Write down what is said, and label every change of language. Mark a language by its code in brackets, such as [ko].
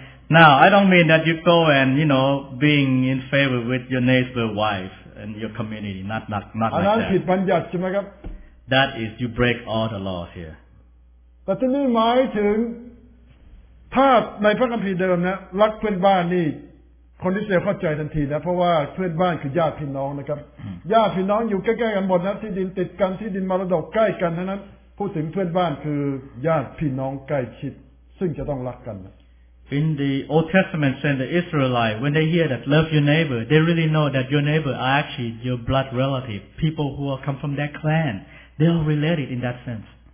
[en] Now, I don't mean that you go and, you know, being in favor with your neighbor's wife and your community. Not like that. That is, you break all the laws here. But to me, my turn, [th] ถ้าในพระคัมภีร์เดิมนะรักเพื่อนบ้านนี่คนที่เสียเข้าใจทันทีนะเพราะว่าเพื่อนบ้านคือญาติพี่น้องนะครับญาติพี่น้องอยู่ใกล้ๆกันหมดนะที่ดินติดกันที่ดินมรดกใกล้กันนั้นพูดถึงเพื่อนบ้านคือญาติพี่น้องใกล้ชิดซึ่งจะต้องรักกัน [en] In the Old Testament saying the Israelite, when they hear that love your neighbor, they really know that your neighbor are actually your blood relative, people who are come from that clan. They are related in that sense.